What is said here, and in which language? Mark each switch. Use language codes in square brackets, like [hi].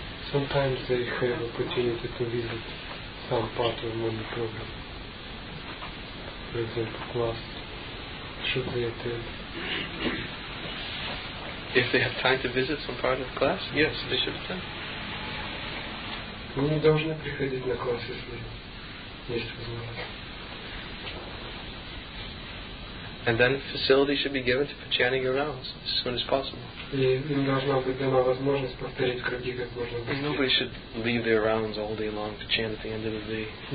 [en] Sometimes they have opportunity to visit some part of the morning program. For example, class should they attend? If they have time to visit some part of class, yes, they should attend. [ru] Мы не должны приходить на класс, если есть возможность. [en] And then facility should be given to chanting your rounds as soon as possible. And nobody should leave their rounds all day long to chant at the end of the day.